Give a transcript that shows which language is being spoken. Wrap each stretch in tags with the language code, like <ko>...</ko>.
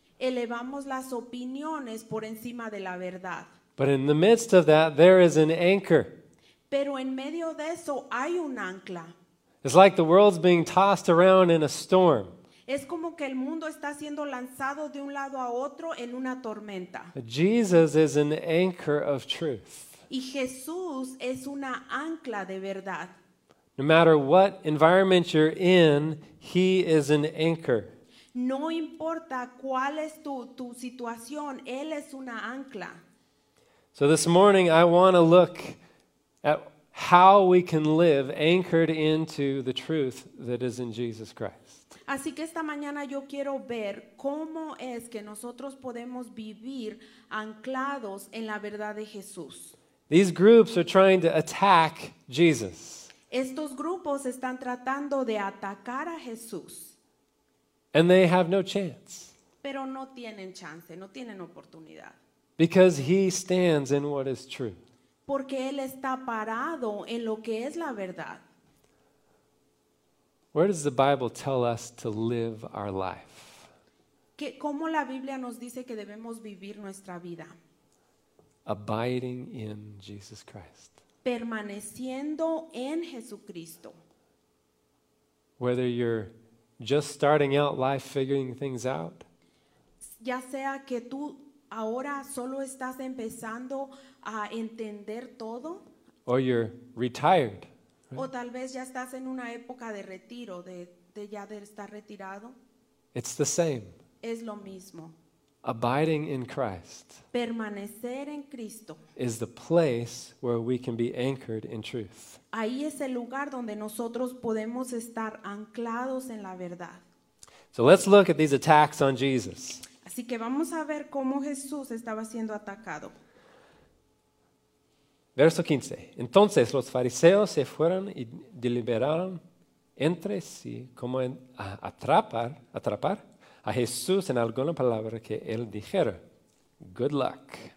<es>Elevamos las opiniones por encima de la verdad.</es> <en>But in the midst of that, there is an anchor.</en> <es>Pero en medio de eso hay un ancla.</es> <en>It's like the world's being tossed around in a storm.</en> <es>Es como que el mundo está siendo lanzado de un lado a otro en una tormenta.</es> <en>Jesus is an anchor of truth.</en> <es>Y Jesús es una ancla de verdad.</es> <en>No matter what environment you're in, He is an anchor.</en> <es>No importa cuál es tu situación, él es una ancla.</es> <en>So this morning I want to look at how we can live anchored into the truth that is in Jesus Christ.</en> <es>Así que esta mañana yo quiero ver cómo es que nosotros podemos vivir anclados en la verdad de Jesús.</es> <en>These groups are trying to attack Jesus.</en> <es>Estos grupos están tratando de atacar a Jesús.</es> <en>And they have no chance.</en> <es>Pero no tienen chance, no tienen oportunidad.</es> <en>Because he stands in what is true.</en> <es>Porque él está parado en lo que es la verdad.</es> <en>Where does the Bible tell us to live our life?</en> <es>¿Cómo la Biblia nos dice que debemos vivir nuestra vida?</es> <en>Abiding in Jesus Christ.</en> <es>Permaneciendo en Jesucristo.</es> <en>Whether you're just starting out life, figuring things out.</en> <es>Ya sea que tú ahora solo estás empezando a entender todo.</es> <en>Or you're retired. Right?</en> <es>O tal vez ya estás en una época de retiro, de ya de estar retirado.</es> <en>It's the same.</en> <es>Es lo mismo.</es> <en>Abiding in Christ.</en> <es>Permanecer en Cristo.</es> <en>Is the place where we can be anchored in truth.</en> <es>Ahí es el lugar donde nosotros podemos estar anclados en la verdad.</es> <en>So let's look at these attacks on Jesus.</en> <es>Así que vamos a ver cómo Jesús estaba siendo atacado. Verso 15. Entonces los fariseos se fueron y deliberaron entre sí cómo atrapar a Jesús en alguna palabra que él dijera.</es> <en>Good luck.</en>